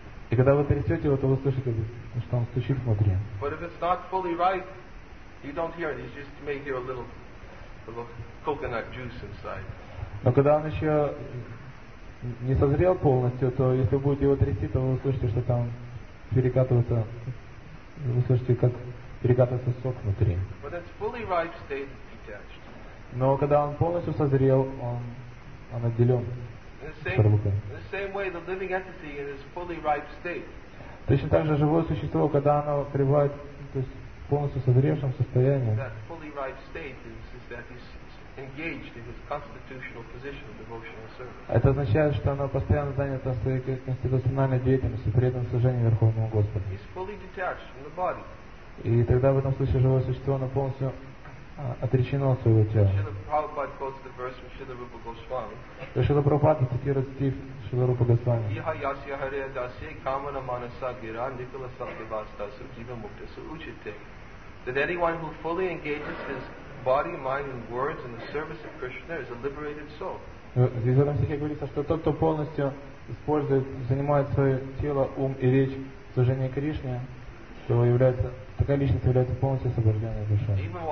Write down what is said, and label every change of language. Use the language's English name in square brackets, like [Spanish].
[Russian] И когда вы трясете его, то вы слышите, что он стучит внутри. [English] But if it's not fully ripe, you don't hear it. You just may hear a little coconut juice inside. [Russian] Но когда он еще не созрел полностью, то если вы будете его трясти, то вы услышите, что там перекатывается, вы услышите, как перекатывается сок внутри. [English] But it's fully ripe, stay detached. [Russian] Но когда он полностью созрел, он отделен. [English] In the same way, the living entity in its fully ripe state. [Russian] Точно так же живое существо, когда оно пребывает, то есть в полностью созревшем состоянии. [English] That fully ripe state is that he's engaged in his constitutional position of devotional service. [Russian] Это означает, что оно постоянно занято своей конституциональной деятельностью, при этом служении Верховному Господу. [English] He's fully detached from the body. [Russian] И тогда в этом случае живое существо, оно полностью отречено от своего тела. Шрила Прабхупада цитирует стих Шрила Рупа Госвами. [English] That anyone who fully engages his body, mind and words in the service of Krishna is a liberated soul. [Russian] Здесь в этом стихе говорится, что тот, кто полностью использует, занимает свое тело, ум и речь в служении Кришне, то является, такая личность является полностью освобожденной душой.